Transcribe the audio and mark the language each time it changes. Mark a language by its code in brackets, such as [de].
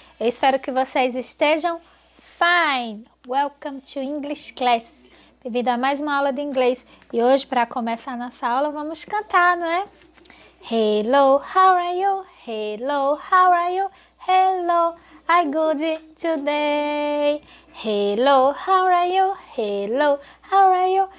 [pt] Espero que vocês estejam fine. [en] Welcome to English class. [pt] Bem-vindo a mais uma aula de inglês. E hoje, para começar nossa aula, vamos cantar, não é? [en] Hello, how are you? Hello, how are you? Hello, I good today. Hello, how are you? Hello, how are you?